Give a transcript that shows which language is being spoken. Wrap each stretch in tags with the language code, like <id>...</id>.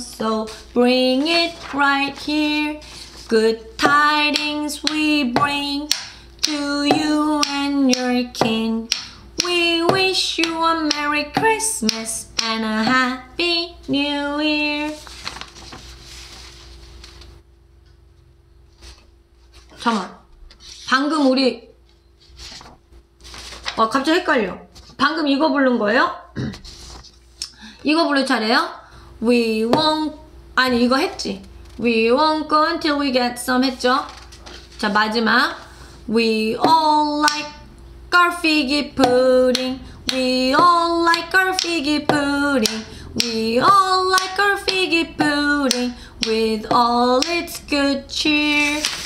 <en>So bring it right here. Good tidings we bring to you and your kin. We wish you a Merry Christmas and a Happy New Year.</en> <ko>잠깐만, 방금 우리, 아, 갑자기 헷갈려. 방금 이거 부른 거예요? 이거 부를 차례요?</ko> <en>We won't,</en> <ko>아니 이거 했지.</ko> <en>We won't go until we get some 했죠?</en> <ko>자, 마지막.</ko> <en>We all like our figgy pudding. We all like our figgy pudding. We all like our figgy pudding with all its good cheer.</en>